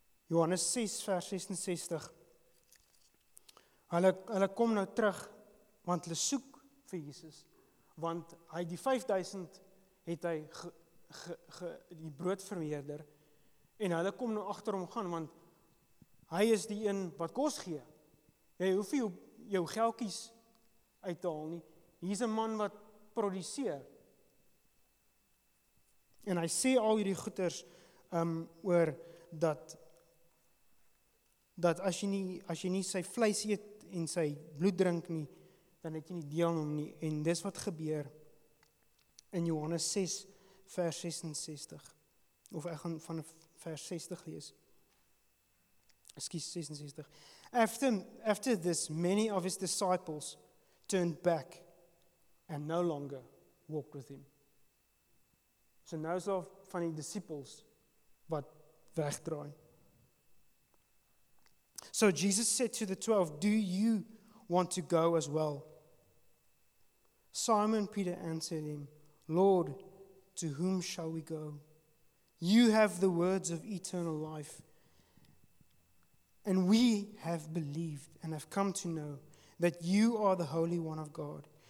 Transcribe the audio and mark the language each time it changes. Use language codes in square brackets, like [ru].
[af] Johannes 6 vers 66. Hulle kom nou terug, want hulle soek vir Jesus, want hy die 5000 het hy die brood vermeerder, en hulle kom nou achter hom gaan, want hy is die een wat kos gee. Jy hoef nie jou geldkies uit te haal nie, hy is een man wat produseer. En hy sê al hierdie goeders oor dat as jy nie sy vleis eet en sy bloed drink nie, dan het jy nie deel aan hom nie. En dis wat gebeur in Johannes 6 vers 66. Of ek gaan van vers 60 lees. Excuse 66. [en] After this, many of his disciples turned back and no longer walked with him. [af] So nou is al van die disciples wat wegdraai. [en] So Jesus said to the 12, "Do you want to go as well?" Simon Peter answered him, "Lord, to whom shall we go? You have the words of eternal life, and we have believed and have come to know that you are the Holy One of God."